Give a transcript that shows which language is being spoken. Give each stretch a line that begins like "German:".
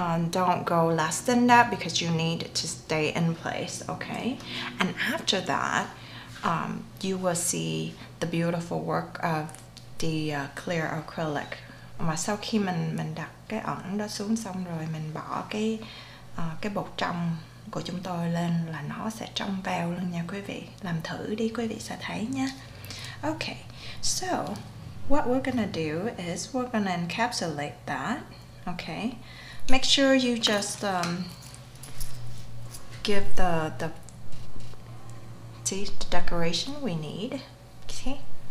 English: Don't go less than that because you need to stay in place, okay? And after that, you will see the beautiful work of the clear acrylic.
Vietnamese: Mà sau khi mình đặt cái ẩn đó xuống xong rồi mình bỏ cái bột trong của chúng tôi lên là nó sẽ trong veo luôn nha quý vị. Làm thử đi quý vị sẽ thấy nha.
English: Okay, so what we're gonna do is we're gonna encapsulate that, okay? Make sure you just give the decoration we need, okay?